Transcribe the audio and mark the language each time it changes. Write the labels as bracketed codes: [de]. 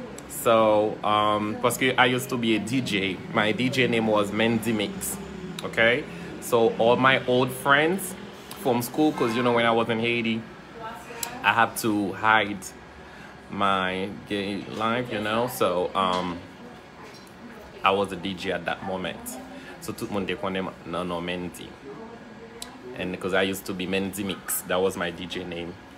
[en] So, because I used to be a DJ. My DJ name was Mendy Mix. Okay? So, all my old friends from school, because you know when I was in Haiti, I had to hide my gay life, you know? So, I was a DJ at that moment. [fr] So tout le monde connaît non non Mendy. [en] And because I used to be Mendy Mix, that was my DJ name.